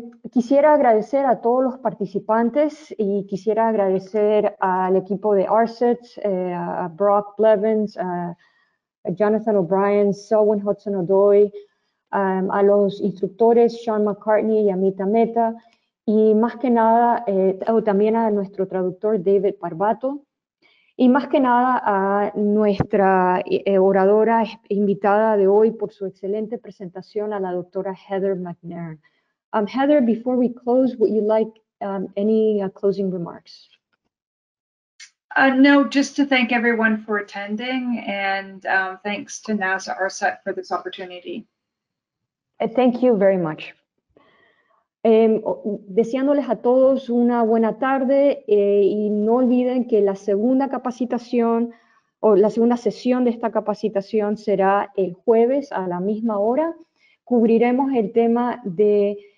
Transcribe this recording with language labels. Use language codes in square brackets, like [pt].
[es] Quisiera agradecer a todos los participantes y quisiera agradecer al equipo de RSET, a Brock Blevins, a Jonathan O'Brien, Selwyn Hudson-Odoi, a los instructores Sean McCartney y Amita Mehta, y más que nada, también a nuestro traductor David Barbato, y más que nada a nuestra oradora invitada de hoy por su excelente presentación, a la doctora Heather McNair. [en] Heather, before we close, would you like any closing remarks? No, just to thank everyone for attending, and thanks to NASA RSET for this opportunity. Thank you very much. [es] Deseándoles a todos una buena tarde y no olviden que la segunda capacitación o la segunda sesión de esta capacitación será el jueves a la misma hora. Cubriremos el tema de